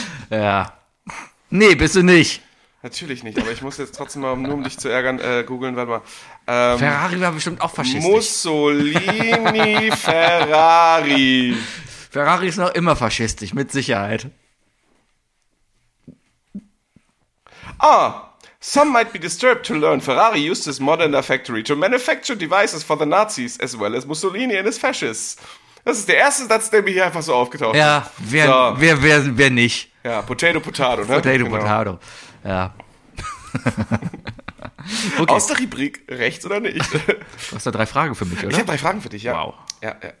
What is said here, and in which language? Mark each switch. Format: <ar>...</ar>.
<de>Ja. Nee, bist du nicht. Natürlich nicht, aber ich muss jetzt trotzdem mal, nur um dich zu ärgern, googeln, warte mal. Ferrari war bestimmt auch faschistisch. Mussolini Ferrari. Ferrari ist noch immer faschistisch, mit Sicherheit.</de> <en>Ah, some might be disturbed to learn Ferrari used his Modena factory to manufacture devices for the Nazis as well as Mussolini and his fascists.</en> <de>Das ist der erste Satz, der mir hier einfach so aufgetaucht ist. Ja, wer nicht? Ja, Potato Potato, ne? Potato Potato. Ja. Okay. Aus der Rubrik rechts oder nicht? Du hast da drei Fragen für mich, oder? Ich habe drei Fragen für dich, ja. Wow. Ja.</de>